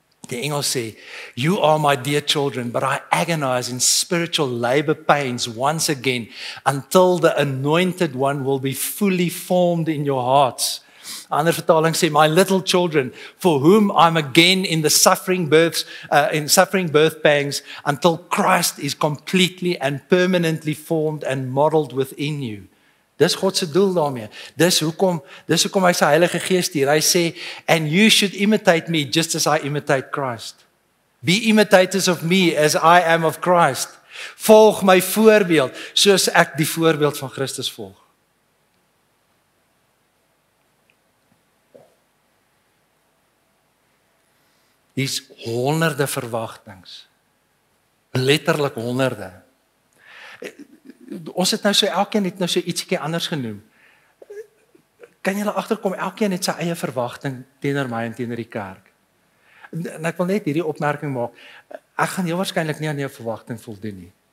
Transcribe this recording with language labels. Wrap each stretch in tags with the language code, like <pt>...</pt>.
<af>Die Engels sê,</af> <en>you are my dear children, but I agonize in spiritual labor pains once again until the anointed one will be fully formed in your hearts.</en> <af>Ander vertaling sê,</af> <en>my little children, for whom I'm again in the suffering birth pangs until Christ is completely and permanently formed and modeled within you.</en> <af>Dis God se doel daarmee. Dis hoekom hy sy Heilige Gees stuur. Hy sê,</af> <en>and you should imitate me just as I imitate Christ. Be imitators of me as I am of Christ.</en> <af>Volg my voorbeeld, soos ek die voorbeeld van Christus volg. Hier's honderde verwagtings. Letterlik honderde. Ons het nou so, elkeen het nou so ietsiekie anders genoem. Kan jy agterkom, elkeen het sy eie verwagting teenoor my en teenoor die kerk. En ek wil net hierdie opmerking maak. Ek gaan heel waarskynlik nie aan jou verwagting voldoen nie.</af>